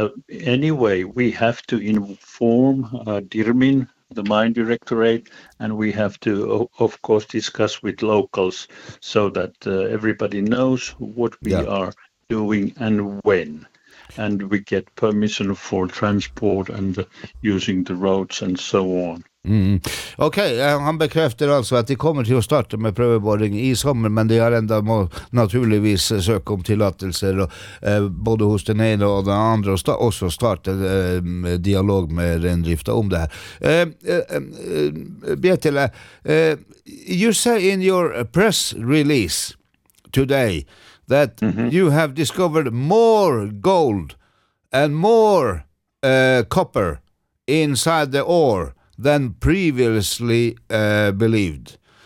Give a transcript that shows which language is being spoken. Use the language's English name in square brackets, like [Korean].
[English] anyway we have to inform Dirmin, the mine directorate, and we have to of course discuss with locals so that everybody knows what we are doing and when, and we get permission for transport and using the roads and so on. [Swedish] Okej, okay. Han bekräftar alltså att de kommer till att starta med prövoborring i sommar, men de har ändå naturligtvis sökt om tillåtelser både hos den ena och den andra, och också starta dialog med rendrifta om det här. [English] Bietele, you say in your press release today that you have discovered more gold and more copper inside the ore than previously believed.